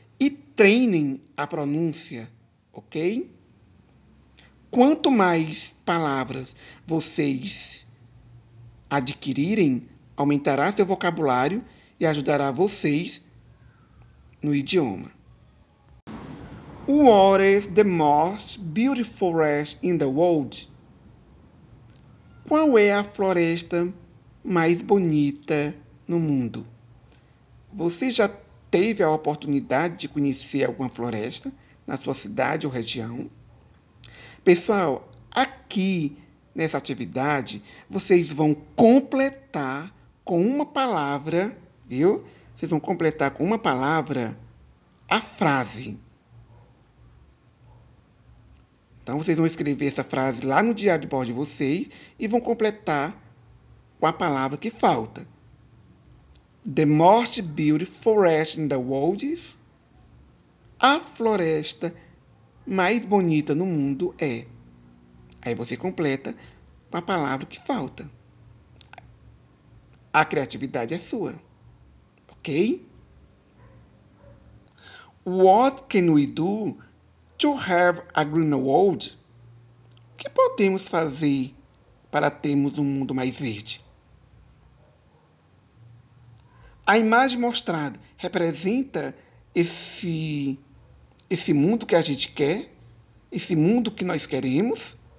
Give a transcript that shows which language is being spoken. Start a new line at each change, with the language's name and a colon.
Portuguese: E treinem a pronúncia, ok? Quanto mais palavras vocês adquirirem, aumentará seu vocabulário e ajudará vocês no idioma.
English: What is the most beautiful forest in the world?
Portuguese: Qual é a floresta mais bonita no mundo? Você já teve a oportunidade de conhecer alguma floresta na sua cidade ou região? Pessoal, aqui nessa atividade, vocês vão completar com uma palavra, viu? Vocês vão completar com uma palavra a frase. Então, vocês vão escrever essa frase lá no diário de bordo de vocês e vão completar com a palavra que falta.
English: The most beautiful forest in the world is.
Portuguese: A floresta mais bonita no mundo é. Aí você completa com a palavra que falta. A criatividade é sua. Ok?
English: What can we do to have a greener world?
Portuguese: O que podemos fazer para termos um mundo mais verde? A imagem mostrada representa esse mundo que a gente quer, esse mundo que nós queremos.